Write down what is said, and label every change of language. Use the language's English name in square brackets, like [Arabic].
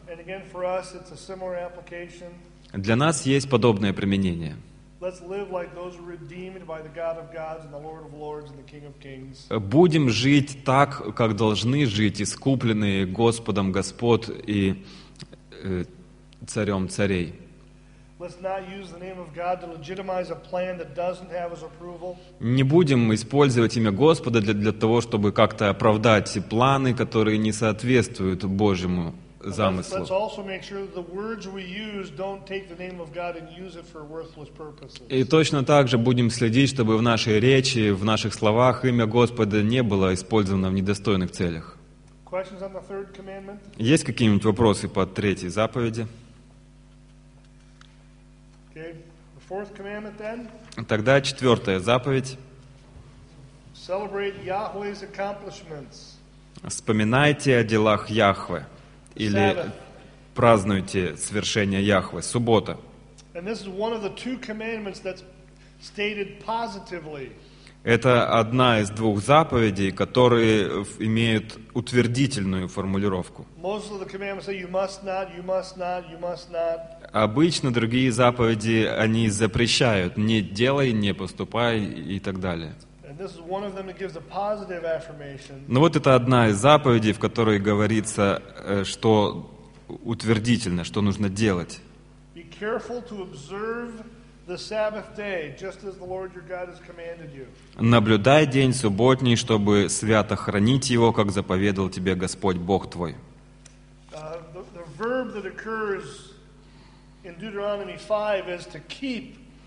[English] And again, for us, it's a similar application. [Russian] Для нас есть подобное применение. [English] Let's live like those redeemed by the God of gods and the Lord of lords and the King of kings. [Russian] Будем жить так, как должны жить искупленные Господом Господ и Царем царей. [English] Let's not use the name of God to legitimize a plan that doesn't have His approval. [Russian] Не будем использовать имя Господа для того, чтобы как-то оправдать планы, которые не соответствуют Божьему замыслу. [English] Let's also make sure that the words we use don't take the name of God and use it for worthless purposes. [Russian] И точно так же будем следить, чтобы в нашей речи, в наших словах имя Господа не было использовано в недостойных целях. [English] Questions on the third commandment? [Russian] Есть какие-нибудь вопросы по третьей заповеди? [English] Okay. The fourth commandment then? [Russian] Тогда четвертая заповедь. [English] Celebrate Yahweh's accomplishments. [Russian] Вспоминайте о делах Яхве. Или празднуйте свершение Яхве, суббота. Это одна из двух заповедей, которые имеют утвердительную формулировку. Обычно другие заповеди, они запрещают, не делай, не поступай и так далее. [English] And this is one of them that gives a positive affirmation. [Russian] Но вот это одна из заповедей, в которой говорится, что утвердительно, что нужно делать. [English] Be careful to observe the Sabbath day, just as the Lord your God has commanded you. [Russian] Наблюдай день субботний, чтобы свято хранить его, как заповедал тебе Господь Бог твой. [English] The verb that occurs in Deuteronomy 5 is to keep.